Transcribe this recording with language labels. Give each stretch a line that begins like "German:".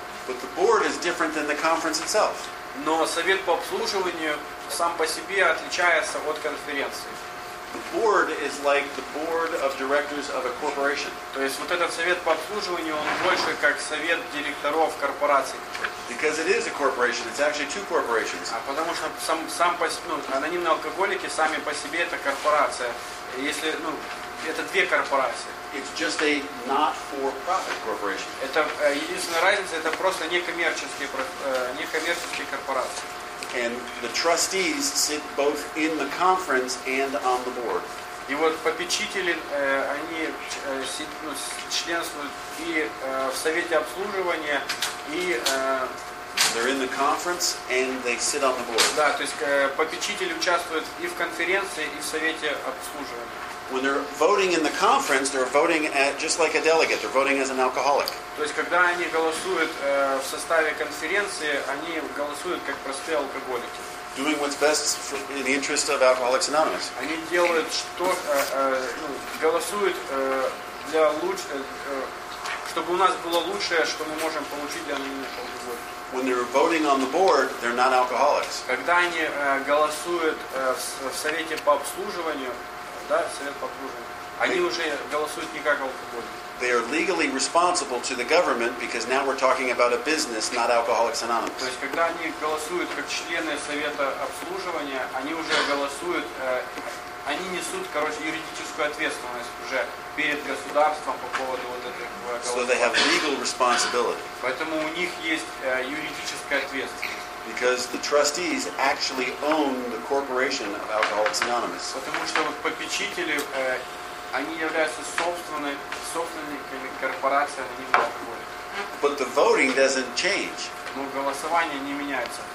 English: But the board is different than the conference itself.
Russian: Но совет по обслуживанию сам по себе отличается от конференции.
English: The board is like the board of directors of a corporation.
Russian: То есть вот этот совет по обслуживанию, он больше как совет директоров корпораций.
English: Because it is a corporation, it's actually two corporations.
Russian: А потому что анонимные алкоголики сами по себе это корпорация. Если, это две корпорации.
English: It's just a not-for-profit corporation.
Russian: Это единственная разница, это просто некоммерческие корпорации.
English: And the trustees sit both in the conference and on the board.
Russian: И вот попечители, они членствуют и в совете обслуживания, и...
English: They're in the conference and they sit on the board.
Russian: Да, то есть попечители участвуют и в конференции, и в совете обслуживания.
English: When they're voting in the conference, they're voting at just like a delegate. They're voting as an alcoholic.
Russian: То есть когда они голосуют в составе конференции, они голосуют как простые алкоголики.
English: Doing what's best for, in the interest of Alcoholics Anonymous.
Russian: Они делают что, голосуют для луч, чтобы у нас было лучшее, что мы можем получить для анонимных алкоголиков.
English: When they're voting on the board, they're not alcoholics.
Russian: Когда они голосуют в совете по обслуживанию. Да, совет по обслуживанию. Они уже голосуют не как алкоголики.
English: They are legally responsible to the government because now we're talking about a business, not Alcoholics Anonymous.
Russian: То есть, когда они голосуют как члены совета обслуживания, они уже голосуют, они несут, юридическую ответственность уже перед государством по поводу вот этих голосований.
English: So they have legal responsibility.
Russian: Поэтому у них есть юридическая ответственность.
English: Because the trustees actually own the corporation of Alcoholics Anonymous.
Russian: Потому что попечители, они являются собственниками корпорации анонимных алкоголиков.
English: But the voting doesn't change.
Russian: Но голосование не меняется.